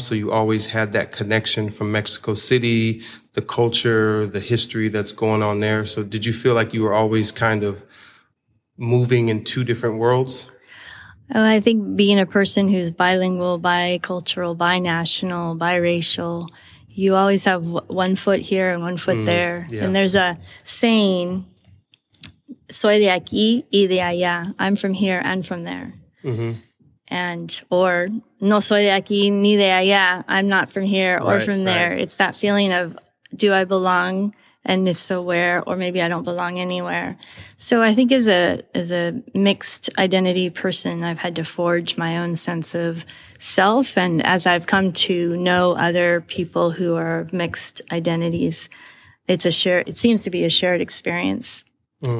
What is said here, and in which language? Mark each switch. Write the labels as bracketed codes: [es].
[en] So you always had that connection from Mexico City, the culture, the history that's going on there. So did you feel like you were always kind of moving in two different worlds? Oh, I think being a person who's bilingual, bicultural, binational, biracial, you always have one foot here and one foot there. Yeah. And there's a saying, [es] soy de aquí y de allá. [en] I'm from here and from there. Mm-hmm. And, or [es] no soy de aquí ni de allá. [en] I'm not from here or right, from there. Right. It's that feeling of, do I belong? And if so, where? Or maybe I don't belong anywhere. So I think as a mixed identity person, I've had to forge my own sense of self. And as I've come to know other people who are of mixed identities, it seems to be a shared experience. Mm.